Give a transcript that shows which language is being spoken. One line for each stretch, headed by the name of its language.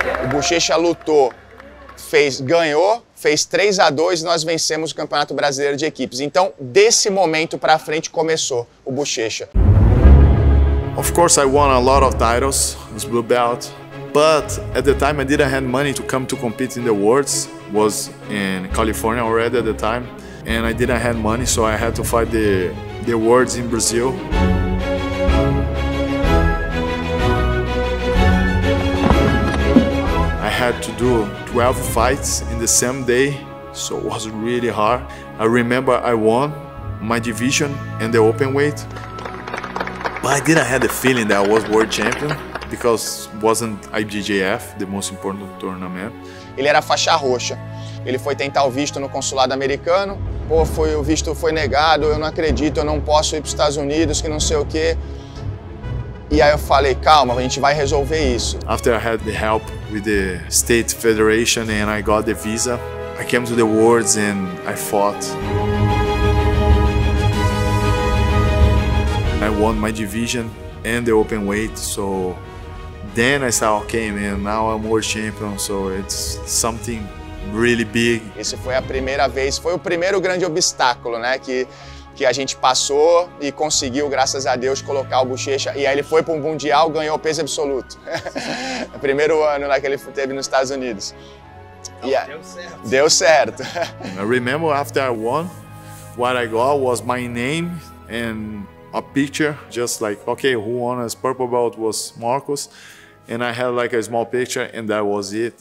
Portuguese: Buchecha lutou, ganhou, fez 3-2 e nós vencemos o Campeonato Brasileiro de Equipes. Então, desse momento para frente começou o Buchecha.
English: Of course I won a lot of titles as blue belt, but at the time I didn't have money to come to compete in the worlds. Was in California already at the time and I didn't have money, so I had to fight the worlds in Brazil. I had to do 12 fights in the same day, so it was really hard. I remember I won my division and the open weight. But I didn't have the feeling that I was world champion because it wasn't IBJJF, the most important tournament.
Portuguese: Ele era faixa roxa. Ele foi tentar o visto no consulado americano. Pô, foi, o visto foi negado, eu não acredito, eu não posso ir para os Estados Unidos, que não sei o quê. E aí eu falei, calma, a gente vai resolver isso.
English: After I had the help with the State Federation and I got the visa, I came to the Worlds and I fought. I won my division and the open weight, so then I saw, okay, man, now I'm world champion, so it's something really big.
Portuguese: Esse foi a primeira vez, foi o primeiro grande obstáculo, né, que a gente passou e conseguiu, graças a Deus, colocar o Buchecha. E aí ele foi para um mundial, ganhou peso absoluto. Primeiro ano, né, que ele teve nos Estados Unidos. Deu certo.
English: I remember after I won, what I got was my name and a picture, just like, okay, who won as purple belt was Marcos. And I had like a small picture and that was it.